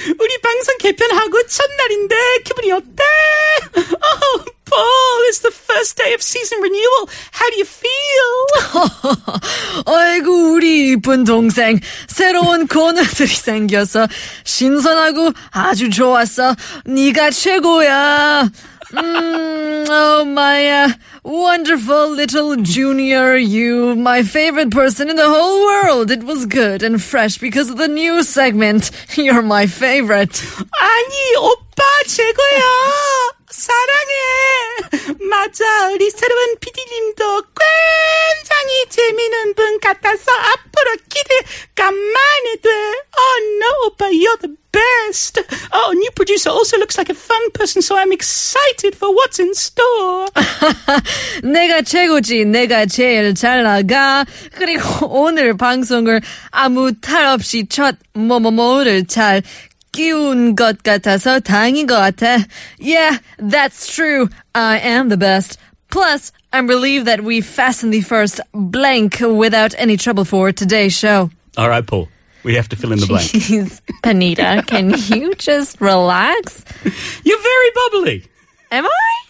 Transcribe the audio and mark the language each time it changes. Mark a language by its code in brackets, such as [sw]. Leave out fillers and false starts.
[ko] 우리 방송 개편하고 첫날인데 기분이 어때? [en] Oh, Paul, it's the first day of season renewal. How do you feel? [ko] 아이고, 우리 이쁜 동생. 새로운 코너들이 생겨서 신선하고 아주 좋았어. 네가 최고야. [en] Oh, my wonderful little junior you, my favorite person in the whole world. It was good and fresh because of the new segment. You're my favorite. [ko] 아니, 오빠 최고야. 사랑해. 맞아, 우리 새로운 PD님도 굉장히 재미있는 분 같아서 앞으로 기대가 많이 돼. [en] Oh, no, 오빠, you're the best. Oh, new producer also looks like a fun person, so I'm excited for what's in store. [ko] 내가 최고지, 내가 제일 잘 나가. 그리고 오늘 방송을 아무 탈 없이 첫 뭐뭐뭐를 잘 끼운 것 같아서 다행인 것 같아. [en] Yeah, that's true. I am the best. Plus, I'm relieved that we fastened the first blank without any trouble for today's show. All right, Paul. We have to fill in the Jeez, blank. Panita, can you just relax? You're very bubbly. Am I?